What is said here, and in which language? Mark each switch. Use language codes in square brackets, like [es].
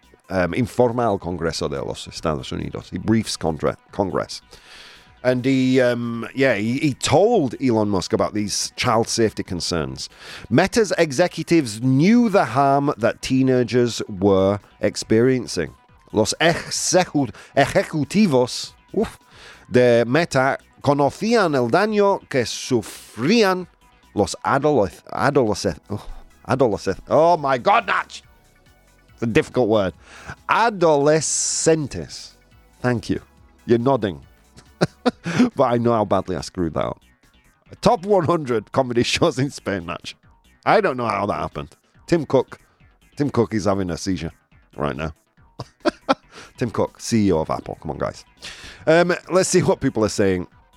[es] Informal Congreso de los Estados Unidos. [en] He briefs Congress. And he told Elon Musk about these child safety concerns. Meta's executives knew the harm that teenagers were experiencing. [es] los ejecutivos de Meta conocían el daño que sufrían los adolescentes. [en] Thank you. You're nodding. But I know how badly I screwed that up. Top 100 comedy shows in Spain, Natch. I don't know how that happened. Tim Cook is having a seizure right now. Tim Cook, CEO of Apple. Come on, guys. Let's see what people are saying.